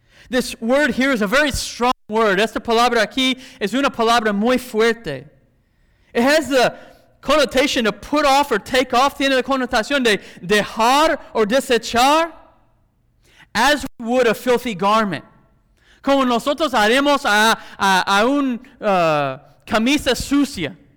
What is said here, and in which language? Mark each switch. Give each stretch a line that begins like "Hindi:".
English: This word here is a very strong word.
Spanish: Esta palabra aquí es una palabra muy fuerte.
English: It has the connotation to put off or take off.
Spanish: Tiene la connotación de dejar or desechar.
English: As we would a filthy garment.
Spanish: Como nosotros haremos a una camisa sucia.